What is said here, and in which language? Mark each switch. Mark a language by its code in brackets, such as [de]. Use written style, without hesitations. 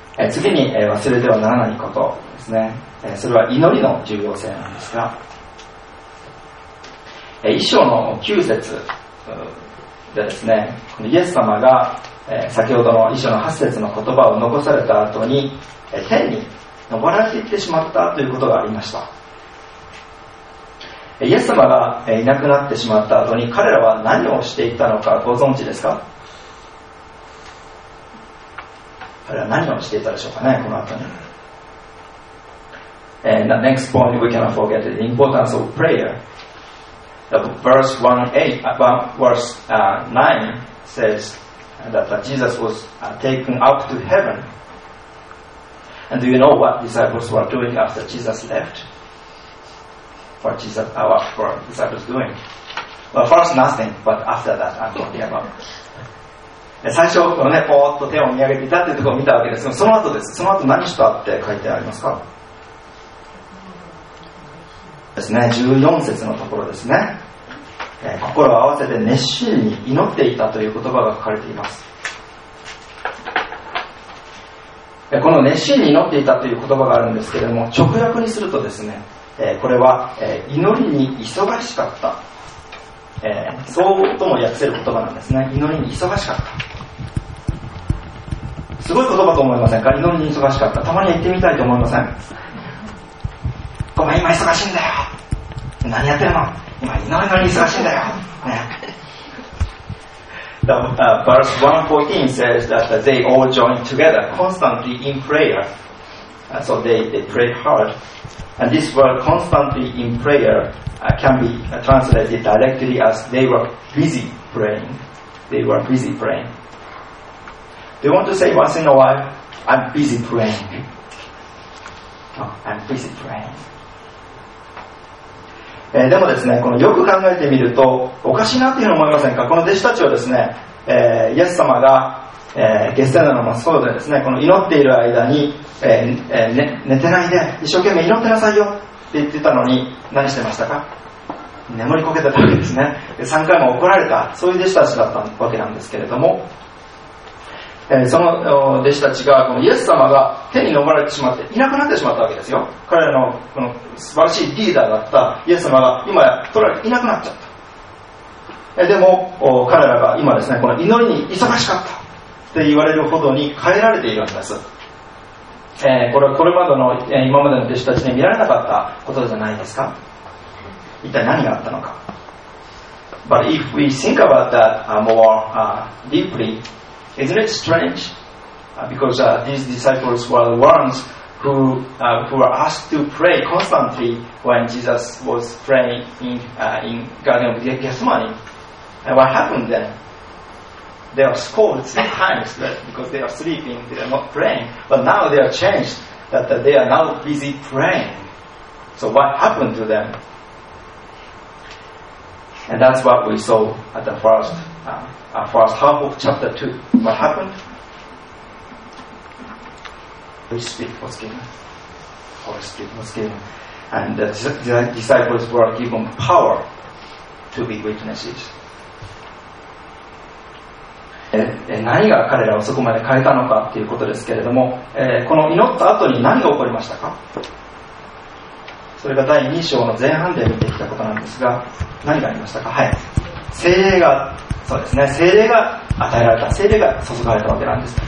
[ja] 次に忘れてはならないことですね。それは祈りの重要性なんですが、一章の9節でですね、イエス様が先ほどの一章の8節の言葉を残された後に天に昇られていってしまったということがありました。イエス様がいなくなってしまった後に彼らは何をしていたのかご存知ですか？彼らは何をしていたでしょうかね、この後に。 [en] And the next point, we cannot forget the importance of prayer. Verse 9 says that Jesus was taken up to heaven. And do you know what disciples were doing after Jesus left? What were disciples doing? Well, first nothing, but after that, I'm talking about it. [ja] 最初このね、ぽーっと手を見上げていたっていうところを見たわけですが、その後です。その後何したって書いてありますか？ですね、14節のところですね。心を合わせて熱心に祈っていたという言葉が書かれています。この熱心に祈っていたという言葉があるんですけれども、直訳にするとですね、これは祈りに忙しかった。そうとも訳せる言葉なんですね。祈りに忙しかった。すごい言葉と思いませんか？祈りに忙しかった。たまに言ってみたいと思いません？ごめん今忙しいんだよ。何やってるの？今祈りに忙しいんだよ、ね。 [en] Verse 1:14 says that they all joined together constantly in prayer. So they prayed hard. And this word constantly in prayercan be translated directly as they were busy praying. They were busy praying. Do you want to say once in a while, I'm busy praying? I'm busy praying. [ja] でもですね、このよく考えてみるとおかしいなというふうに思いませんか？この弟子たちはですね、イエス様が、ゲッセマネの園でですね、この祈っている間に、寝てないで一生懸命祈ってなさいよって言ってたのに、何してましたか？眠りこけてたわけですね。3回も怒られた、そういう弟子たちだったわけなんですけれども、その弟子たちがこのイエス様が手に昇られてしまっていなくなってしまったわけですよ。彼らの、この素晴らしいリーダーだったイエス様が今や取られていなくなっちゃった。でも彼らが今ですね、この祈りに忙しかったって言われるほどに変えられているんです。これはこれまでの今までの弟子たちに見られなかったことじゃないですか？一体何があったのか。 [en] But if we think about that more deeply, isn't it strange? Because these disciples were the ones who were asked to pray constantly when Jesus was praying in Garden of Gethsemane. And what happened then? They are scolded 3 times because they are sleeping, they are not praying. But now they are changed, that they are now busy praying. So what happened to them? And that's what we saw at the first half of chapter 2. What happened? Holy Spirit was given. Holy Spirit was given. And the disciples were given power to be witnesses. [ja] 何が彼らをそこまで変えたのかということですけれども、この祈った後に何が起こりましたか。それが第2章の前半で見てきたことなんですが、何がありましたか。はい、聖霊が、そうですね、聖霊が与えられた、聖霊が注がれたわけなんです。